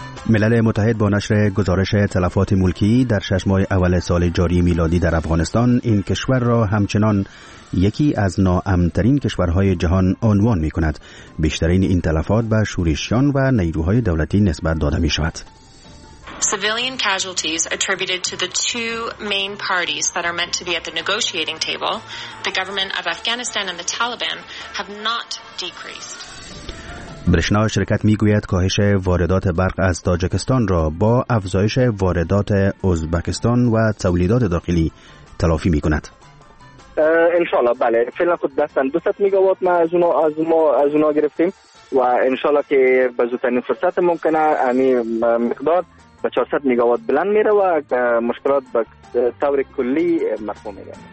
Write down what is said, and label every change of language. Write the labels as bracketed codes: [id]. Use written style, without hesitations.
[fa] ملل متحد با نشر گزارش تلفات ملکی در 6 ماه اول سال جاری میلادی در افغانستان، این کشور را همچنان یکی از ناامن‌ترین کشورهای جهان عنوان می کند. بیشترین این تلفات به شورشیان و نیروهای دولتی نسبت داده می شود. [en] Civilian casualties attributed to the two main parties that are meant to be at the negotiating table, the government of Afghanistan and the Taliban, have not decreased. [fa] برشنا شرکت میگوید کاهش واردات برق از تاجیکستان را با افزایش واردات ازبکستان و تولیدات داخلی تلافی میکند. انشالله بله، فعلا خود دستن 200 میگاوات ما از اونا گرفتیم و انشالله که به زودترین فرصت ممکنه همین مقدار به 400 میگاوات بلند میره و مشکلات به طور کلی مرفوع میگه.